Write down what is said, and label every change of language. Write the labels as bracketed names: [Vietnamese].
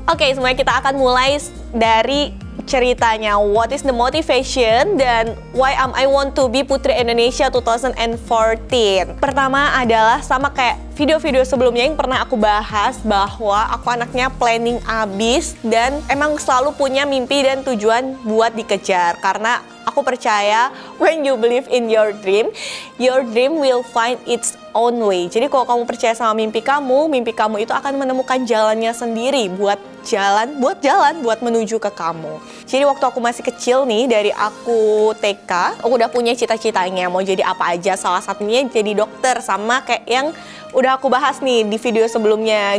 [Indonesian] Oke, semuanya kita akan mulai dari ceritanya, [English] what is the motivation [Indonesian] dan [English] why am I want to be Putri Indonesia 2014. [Indonesian] Pertama adalah sama kayak video-video sebelumnya yang pernah aku bahas bahwa aku anaknya planning abis dan emang selalu punya mimpi dan tujuan buat dikejar. Karena aku percaya [English] when you believe in your dream will find its own way. [Indonesian] Jadi kalau kamu percaya sama mimpi kamu itu akan menemukan jalannya sendiri buat jalan, buat jalan, buat menuju ke kamu. Jadi waktu aku masih kecil nih, dari aku TK, aku udah punya cita-citanya mau jadi apa aja. Salah satunya jadi dokter, sama kayak yang udah aku bahas nih di video sebelumnya.